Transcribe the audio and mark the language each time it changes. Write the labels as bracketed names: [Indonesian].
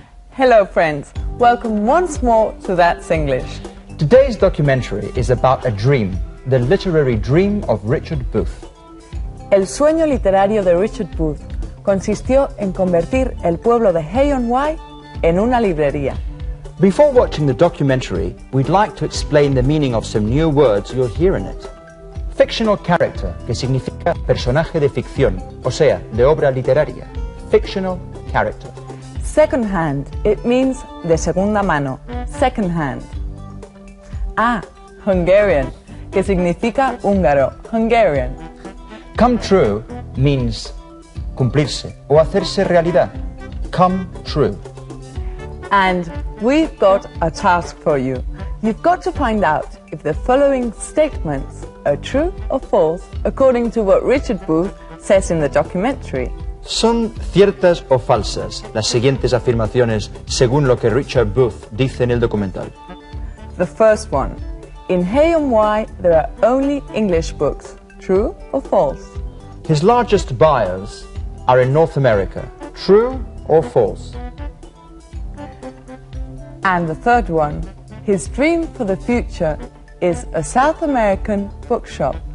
[English] Hello friends, welcome once more to That's English. Today's documentary is about a dream, the literary dream of Richard Booth. [Spanish] El sueño literario de Richard Booth consistió en convertir el pueblo de Hay-on-Wye en una librería. [English] Before watching the documentary, we'd like to explain the meaning of some new words you'll hear in it. [Spanish] Fictional character, que significa personaje de ficción, o sea, de obra literaria. [English] Fictional character. Second hand, it means [Spanish] de segunda mano, [English] second hand. [Spanish] Hungarian, que significa húngaro, Hungarian. [English] Come true means [Spanish] cumplirse o hacerse realidad, [English] come true. And we've got a task for you. You've got to find out if the following statements are true or false according to what Richard Booth says in the documentary. [Spanish] ¿Son ciertas o falsas las siguientes afirmaciones según lo que Richard Booth dice en el documental? [English] The first one. In Hay-on-Wye there are only English books. True or false? His largest buyers are in North America. True or false? And the third one. His dream for the future is a South American bookshop.